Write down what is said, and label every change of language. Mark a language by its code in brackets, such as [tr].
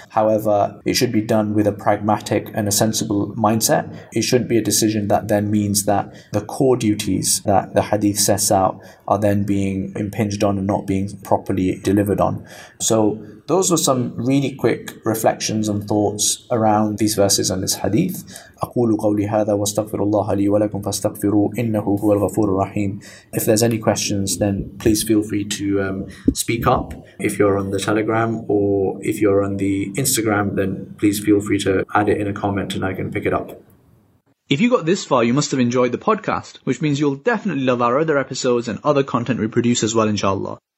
[en] However, it should be done with a pragmatic and a sensible mindset. It shouldn't be a decision that then means that the core duties that the hadith sets out are then being impinged on and not being properly delivered on. So those were some really quick reflections and thoughts around these verses and this hadith. [ar] أقول قولي هذا واستغفر الله لي ولكم فاستغفروا إنه هو الغفور الرحيم. [en] If there's any questions, then please feel free to speak up. If you're on the Telegram or if you're on the Instagram, then please feel free to add it in a comment and I can pick it up. If you got this far, you must have enjoyed the podcast, which means you'll definitely love our other episodes and other content we produce as well, inshallah.